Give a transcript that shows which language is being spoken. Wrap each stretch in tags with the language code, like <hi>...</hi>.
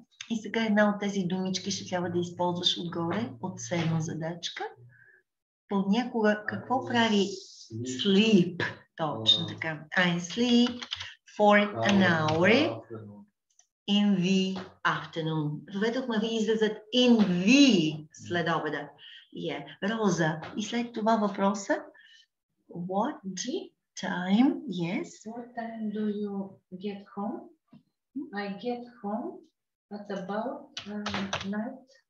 <bg>И сега една от тези думички ще трябва да използваш отгоре, от седма задачка. Понякога, какво прави sleep? Точно така.</bg> <en>I sleep for an hour in the afternoon.</en> <bg>Доведохме ви излезат</bg> <en>in the</en> <bg>след обеда. Роза. И след това въпроса.</bg> <en>What time? Yes. What time do you get home? I get home at about night</en>